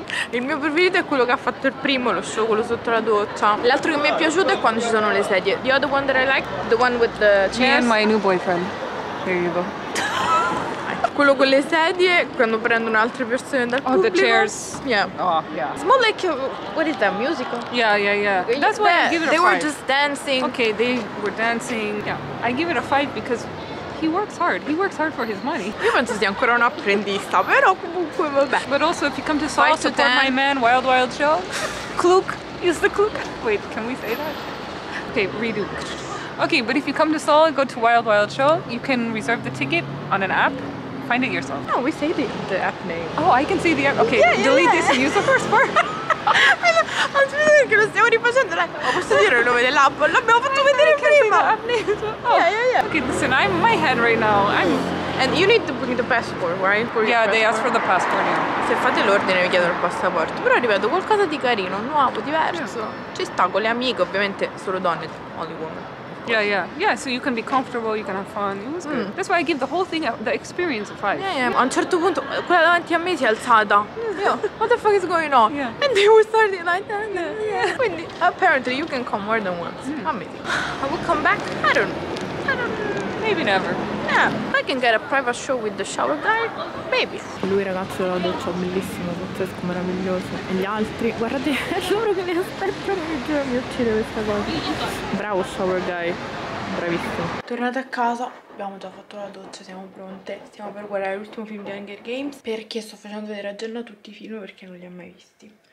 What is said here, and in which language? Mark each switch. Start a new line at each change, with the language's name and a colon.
Italian: Il mio preferito è quello che ha fatto il primo, lo show, quello sotto la doccia. L'altro che mi è piaciuto è quando ci sono le sedie.
English: The other one that I like, the one with the chairs. Me and my new boyfriend. There you go.
Italian: Quello con le sedie, quando prendono altre persone dal pubblico.
English: Oh, the chairs. Yeah. Oh, yeah. It's more like, what is that, musical? Yeah, yeah, yeah. That's why I give it a 5. They were just dancing. Okay, they were dancing. Yeah. I give it a 5 because he works hard. He works hard for his money.
Italian: Io penso sia ancora un apprendista, però comunque vabbè.
English: But also, if you come to Seoul, support my man, Wild Wild Show. Klook is the klook. Wait, can we say that? Okay, redo. Okay, but if you come to Seoul and go to Wild Wild Show, you can reserve the ticket on an app. Find it yourself. No, we say the app name. Oh, I can say the app. Okay, yeah, delete this and use the first part.
Italian: I'm sorry, I'm sorry. Stiamo rifacendo. Posso dire il nome dell'app? L'abbiamo fatto vedere prima.
English: I can say the app name. Oh. Yeah. Okay, listen, I'm in my head right now. And you need to bring the passport, right? For yeah, they ask for the passport, yeah.
Italian: Se fate l'ordine vi chiedono il passaporto. Però ripeto, qualcosa di carino, nuovo, diverso. Yeah. Ci sta con le amiche, ovviamente, solo donne, only woman.
English: Yeah, yeah, yeah. So you can be comfortable, you can have fun. It was good. Mm. That's why I give the whole thing, the experience, a 5.
Italian: Yeah, yeah. A un certo punto, quella davanti a me si è alzata.
English: What the fuck is going on? Yeah. And they were starting like that. Yeah. Quindi, apparently, you can come more than once. Mm. Amazing. I will come back. I don't know. Maybe never. Yeah. I can get a private show with the shower guy. Maybe.
Italian: Lui, ragazzo, della doccia, bellissimo, pazzesco, meraviglioso. E gli altri, guardate, loro che li aspettano, mi uccide questa cosa. Bravo shower guy, bravissimo. Tornate a casa, abbiamo già fatto la doccia, siamo pronte. Stiamo per guardare l'ultimo film di Hunger Games, perché sto facendo vedere a Jenna tutti i film perché non li ha mai visti.